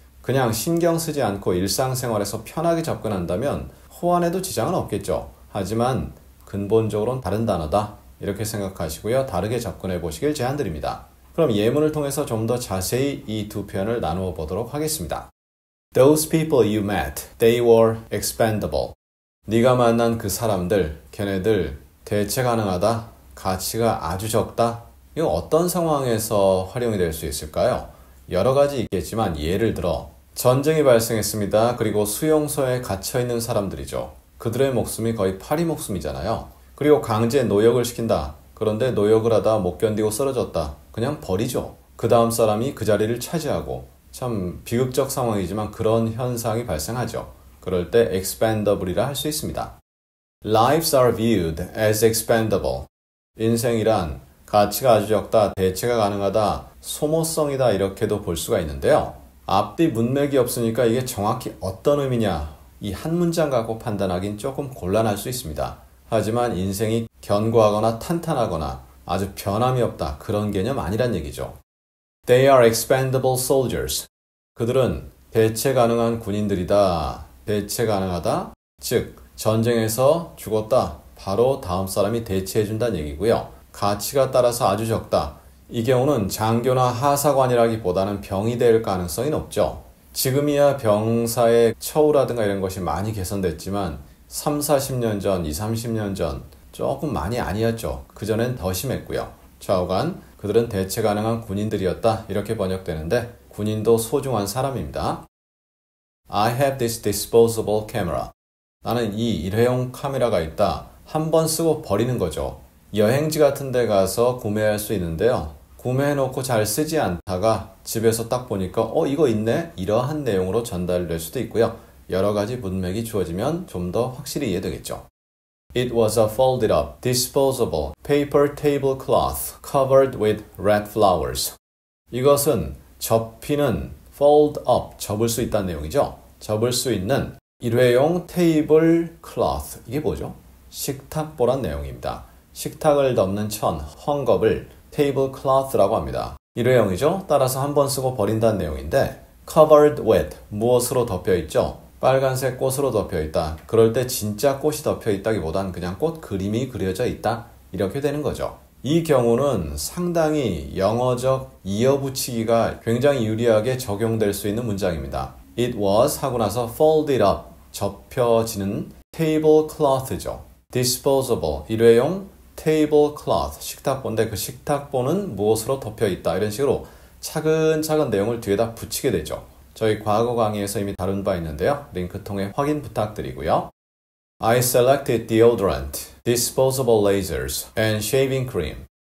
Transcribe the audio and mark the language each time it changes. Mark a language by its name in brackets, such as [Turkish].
[Korean] 그냥 신경 쓰지 않고 일상생활에서 편하게 접근한다면 호환에도 지장은 없겠죠. 하지만 근본적으로는 다른 단어다 이렇게 생각하시고요. 다르게 접근해 보시길 제안드립니다. 그럼 예문을 통해서 좀 더 자세히 이 두 표현을 나누어 보도록 하겠습니다. [English] Those people you met, they were expendable. [Korean] 네가 만난 그 사람들, 걔네들 대체 가능하다, 가치가 아주 적다. 이거 어떤 상황에서 활용이 될 수 있을까요? 여러 가지 있겠지만 예를 들어 전쟁이 발생했습니다. 그리고 수용소에 갇혀있는 사람들이죠. 그들의 목숨이 거의 파리 목숨이잖아요. 그리고 강제 노역을 시킨다. 그런데 노역을 하다 못 견디고 쓰러졌다. 그냥 버리죠. 그 다음 사람이 그 자리를 차지하고 참 비극적 상황이지만 그런 현상이 발생하죠. 그럴 때 expendable이라 할 수 있습니다. [English] Lives are viewed as expendable. [Korean] 인생이란 가치가 아주 적다, 대체가 가능하다, 소모성이다 이렇게도 볼 수가 있는데요. 앞뒤 문맥이 없으니까 이게 정확히 어떤 의미냐, 이 한 문장 갖고 판단하긴 조금 곤란할 수 있습니다. 하지만 인생이 견고하거나 탄탄하거나 아주 변함이 없다, 그런 개념 아니란 얘기죠. [English] They are expendable soldiers. [Korean] 그들은 대체 가능한 군인들이다, 대체 가능하다, 즉 전쟁에서 죽었다, 바로 다음 사람이 대체해준다는 얘기고요. 가치가 따라서 아주 적다. 이 경우는 장교나 하사관이라기보다는 병이 될 가능성이 높죠. 지금이야 병사의 처우라든가 이런 것이 많이 개선됐지만 3, 40년 전, 2, 30년 전 조금 많이 아니었죠. 그전엔 더 심했고요. 좌우간 그들은 대체 가능한 군인들이었다. 이렇게 번역되는데 군인도 소중한 사람입니다. [English] I have this disposable camera. [Korean] 나는 이 일회용 카메라가 있다. 한 번 쓰고 버리는 거죠. 여행지 같은 데 가서 구매할 수 있는데요. 구매해놓고 잘 쓰지 않다가 집에서 딱 보니까 이거 있네? 이러한 내용으로 전달될 수도 있고요. 여러 가지 문맥이 주어지면 좀 더 확실히 이해되겠죠. [English] It was a folded up, disposable paper tablecloth covered with red flowers. [Korean] 이것은 접히는, [English] fold up, [Korean] 접을 수 있다는 내용이죠. 접을 수 있는 일회용 테이블 클로스, 이게 뭐죠? 식탁보란 내용입니다. 식탁을 덮는 천, 헝겊을 tablecloth라고 합니다. 일회용이죠? 따라서 한 번 쓰고 버린다는 내용인데 [English] covered with, [Korean] 무엇으로 덮여 있죠? 빨간색 꽃으로 덮여 있다. 그럴 때 진짜 꽃이 덮여 있다기보단 그냥 꽃 그림이 그려져 있다. 이렇게 되는 거죠. 이 경우는 상당히 영어적 이어붙이기가 굉장히 유리하게 적용될 수 있는 문장입니다. [English] It was [Korean] 하고 나서 [English] folded up, [Korean] 접혀지는 tablecloth죠. Disposable, 일회용 tablecloth, 식탁보인데 그 식탁보는 무엇으로 덮여있다 이런 식으로 차근차근 내용을 뒤에다 붙이게 되죠. 저희 과거 강의에서 이미 다룬 바 있는데요. 링크 통해 확인 부탁드리고요. [English] I selected deodorant, disposable razors, and shaving cream.